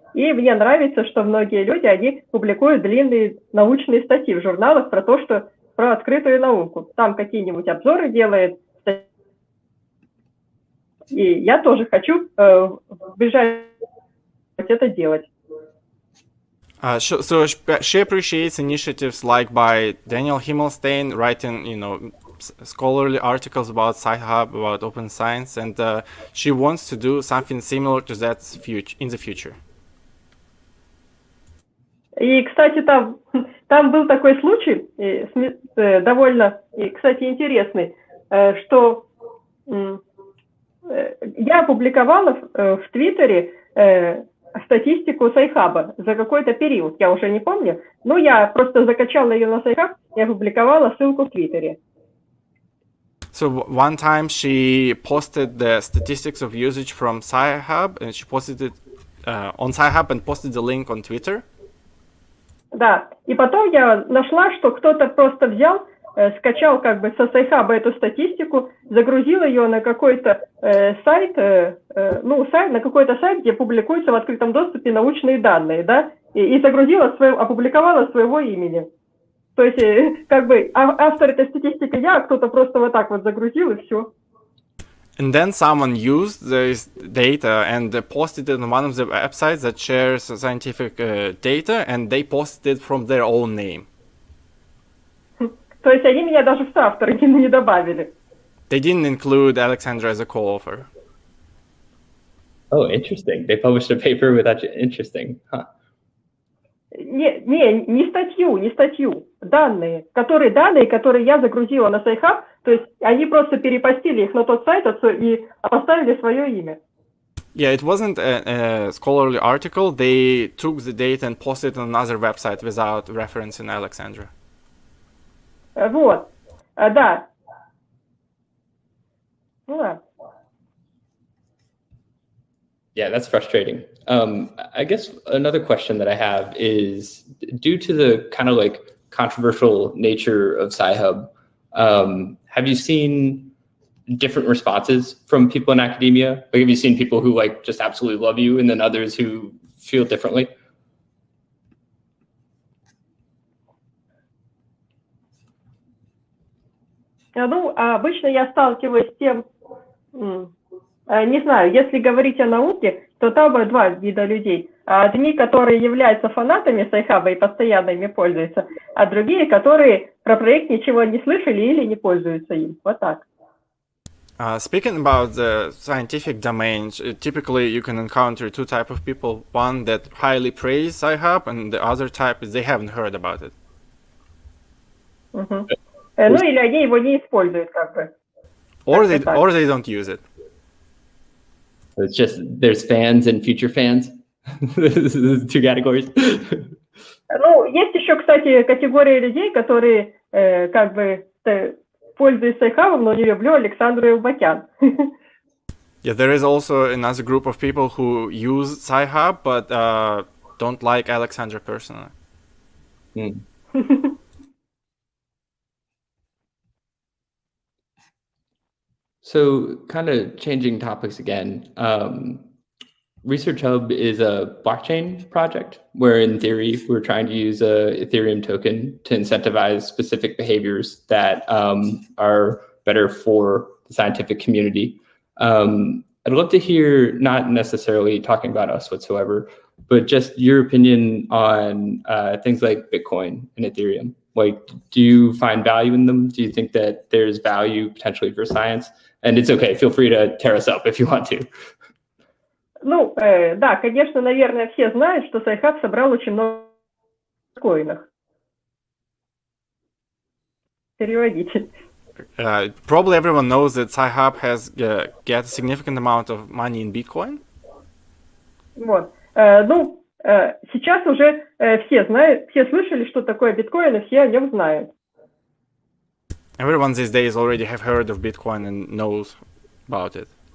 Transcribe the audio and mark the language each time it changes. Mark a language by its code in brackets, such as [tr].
[ru] И мне нравится, что многие люди, они публикуют длинные научные статьи в журналах про то, что про открытую науку. Там какие-нибудь обзоры делает. И я тоже хочу вбежать это делать. [en] So she appreciates initiatives like by Daniel Himmelstein writing, you know, scholarly articles about Sci-Hub, about open science, and she wants to do something similar to that in the future. [ru] И, кстати, там был такой случай, довольно, кстати, интересный, что я опубликовала в Твиттере статистику Sci-Hub за какой-то период, я уже не помню, но я просто закачала ее на Sci-Hub и опубликовала ссылку в Твиттере. [en] So one time she posted the statistics of usage from Sci-Hub, and she posted it on Sci-Hub and posted the link on Twitter. [ru] Да, и потом я нашла, что кто-то просто взял, скачал как бы со Sci-Hub эту статистику, загрузил ее на какой-то сайт, где публикуются в открытом доступе научные данные, да, и опубликовала своего имени. То есть, как бы, автор этой статистики я, а кто-то просто вот так вот загрузил, и все. [en] And then someone used this data and posted it on one of the websites that shares scientific data, and they posted it from their own name. [ru] То есть они меня даже в соавторы не добавили. [en] They didn't include Alexandra as a co-author. Oh, interesting. They published a paper with that. Interesting. Huh. [ru] Не статью. Данные, которые я загрузила на Sci-Hub, то есть они просто перепостили их на тот сайт и поставили свое имя. [en] Yeah, it wasn't a scholarly article. They took the data and posted it on another website without referencing Alexandra. [ru] Вот. Да. Да. [en] Yeah, that's frustrating. I guess another question that I have is, due to the kind of like controversial nature of Sci-Hub, have you seen different responses from people in academia? Like, have you seen people who like just absolutely love you and then others who feel differently? [ru] Ну, обычно я сталкиваюсь с тем, не знаю, если говорить о науке, то там два вида людей. Одни, которые являются фанатами Sci-Hub и постоянно ими пользуются, а другие, которые про проект ничего не слышали или не пользуются им. Вот так. [en] Speaking about the scientific domain, typically you can encounter two types of people. One that highly praise Sci-Hub, and the other type is they haven't heard about it. [ru] Ну, или они его не используют, как бы. [en] Or they don't use it. It's just there's fans and future fans. Two categories. [ru] Ну, есть еще, кстати, категория людей, которые как бы пользуются Sci-Hub, но не люблю Александру Элбакян. [en] Yeah, there is also another group of people who use Sci-Hub, but don't like Alexandra personally. So, kind of changing topics again, ResearchHub is a blockchain project where, in theory, we're trying to use a Ethereum token to incentivize specific behaviors that are better for the scientific community. I'd love to hear, not necessarily talking about us whatsoever, but just your opinion on things like Bitcoin and Ethereum. Like, do you find value in them? Do you think that there's value potentially for science? And it's okay, feel free to tear us up if you want to. [ru] Ну, да, конечно, наверное, все знают, что Sci-Hub собрал очень много биткоинов. Переводите. [en] Probably everyone knows that Sci-Hub has get a significant amount of money in Bitcoin. [ru] Вот. Ну, сейчас уже все знают, все слышали, что такое биткоин, и все о нем знают. [en] Everyone these days already have heard of Bitcoin and knows about it.